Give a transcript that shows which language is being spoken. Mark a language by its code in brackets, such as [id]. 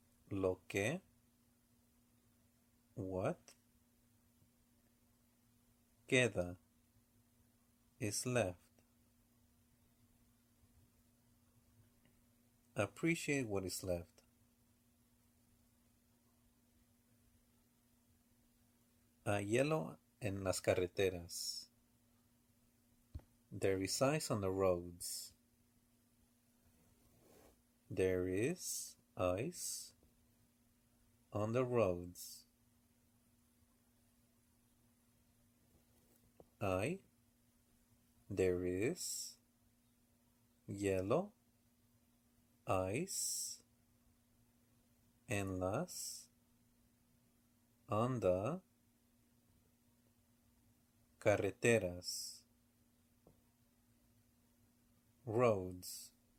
[es] Lo que. [en] What. [es] Queda. [en] Is left. Appreciate what is left. [es] Hay hielo en las carreteras. [en] There is ice on the roads. There is ice on the roads. I. There is yellow ice [es] en las [en] on the [es] carreteras [en] roads.